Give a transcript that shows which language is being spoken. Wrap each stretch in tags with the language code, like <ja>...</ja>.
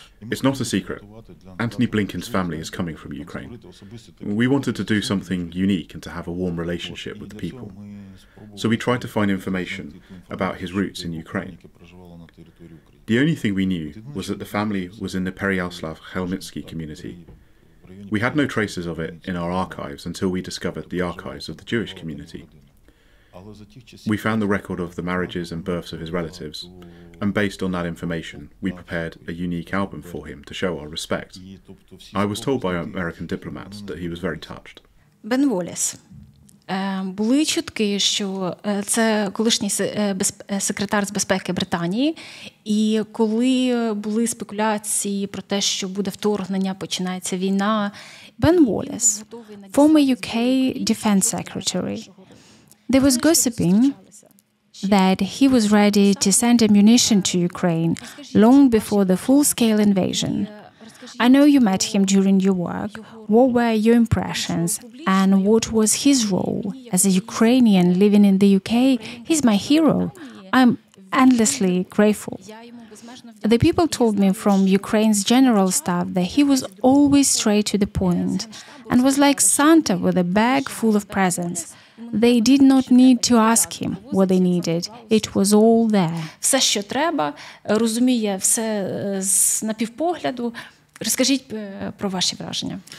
<en>It's not a secret. Anthony Blinken's family is coming from Ukraine. We wanted to do something unique and to have a warm relationship with the people. So we tried to find information about his roots in Ukraine. The only thing we knew was that the family was in the Pereyaslav Khmelnytsky community. We had no traces of it in our archives until we discovered the archives of the Jewish community. We found the record of the marriages and births of his relatives, and based on that information, we prepared a unique album for him to show our respect. I was told by American diplomats that he was very touched. Ben Wallace.</en> <uk>Були чутки, що це колишній секретар з безпеки Британії, і коли були спекуляції про те, що буде вторгнення, починається війна.</uk> <en>Ben Wallace, former UK defense secretary. There was gossiping that he was ready to send ammunition to Ukraine long before the full-scale invasion. I know you met him during your work. What were your impressions and what was his role? As a Ukrainian living in the UK, he's my hero. I'm endlessly grateful. The people told me from Ukraine's general staff that he was always straight to the point and was like Santa with a bag full of presents. They did not need to ask him what they needed. It was all there.</en> <uk>Все, що треба, розуміє все з напівпогляду. Розкажіть про ваші враження.</uk>